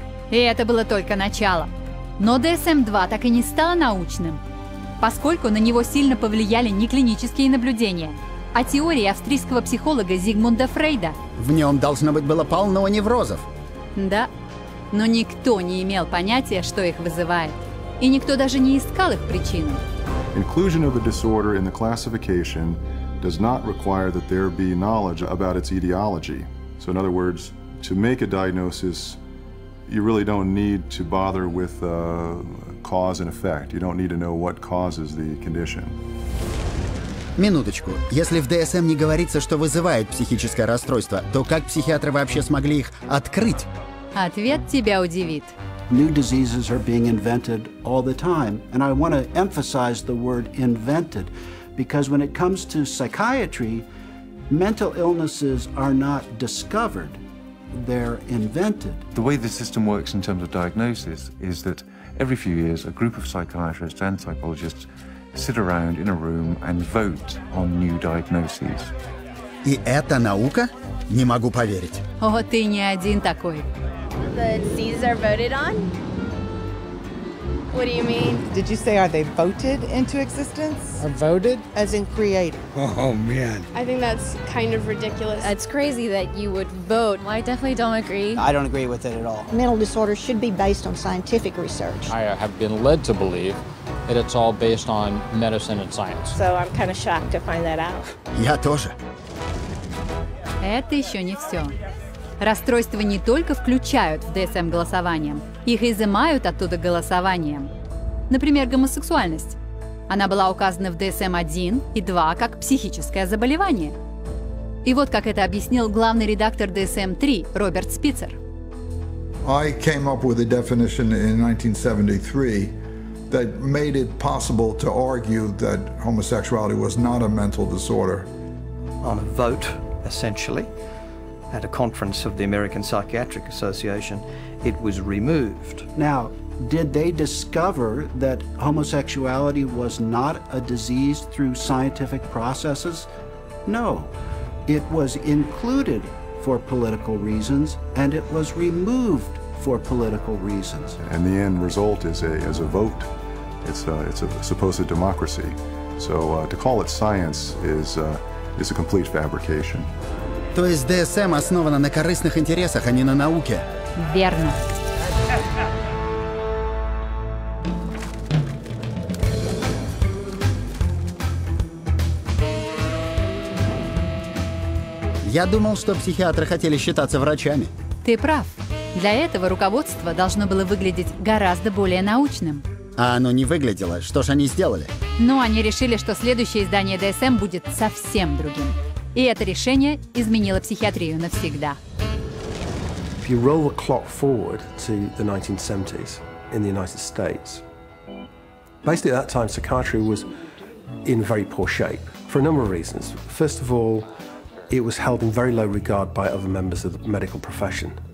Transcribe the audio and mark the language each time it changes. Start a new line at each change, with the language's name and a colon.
Russian: И это было только начало. Но DSM-2 так и не стало научным, поскольку на него сильно повлияли не клинические наблюдения, а теории австрийского психолога Зигмунда Фрейда. В нем, должно быть, было полно неврозов. Да, но никто не имел понятия, что их вызывает. И никто даже не искал их причину.
English: Inclusion of the disorder in the classification does not require that there be knowledge about its etiology. So in other words, to make a diagnosis, you really don't need to bother with cause and effect. You don't need to know what causes the condition.
Russian: Минуточку. Если в DSM не говорится, что вызывает психическое расстройство, то как психиатры вообще смогли их открыть? Ответ тебя удивит.
English: New diseases are being invented all the time, and I want to emphasize the word invented, because when it comes to psychiatry, mental illnesses are not discovered. They're invented. The way the system works in terms of diagnosis is that every few years, a group of psychiatrists and psychologists sit around in a room and vote on new diagnoses.
Russian: И это наука? Не могу поверить. О, ты не один такой.
English: The diseases are voted on? What do you mean? Did you say are they voted into existence? Are voted? As in created. Oh, man. I think that's kind of ridiculous. It's crazy that you would vote. Well, I definitely don't agree. I don't agree with it at all. Mental disorders should be based on scientific research. I have been led to believe that it's all based on medicine and science. So I'm kind of shocked to find that out.
Russian: Я тоже. Это еще не все. Расстройства не только включают в DSM голосованием, их изымают оттуда голосованием. Например, гомосексуальность. Она была указана в DSM-1 и 2 как психическое заболевание. И вот как это объяснил главный редактор DSM-3 Роберт Спицер.
English: I came up with a definition in 1973 that made it possible to argue that homosexuality was not a mental disorder. On a vote, essentially, at a conference of the American Psychiatric Association, it was removed. Now, did they discover that homosexuality was not a disease through scientific processes? No. It was included for political reasons, and it was removed for political reasons. And the end result is a vote. It's a supposed democracy. So to call it science is is a complete fabrication.
Russian: То есть ДСМ основана на корыстных интересах, а не на науке. Верно. Я думал, что психиатры хотели считаться врачами. Ты прав. Для этого руководство должно было выглядеть гораздо более научным. А оно не выглядело. Что ж они сделали? Ну, они решили, что следующее издание ДСМ будет совсем другим. И это решение изменило психиатрию навсегда.
English: If you roll the clock forward to the 1970s in the United States, basically at that time psychiatry was in very poor shape for a number of reasons. First of all, it was held in very low regard by other members of the medical profession.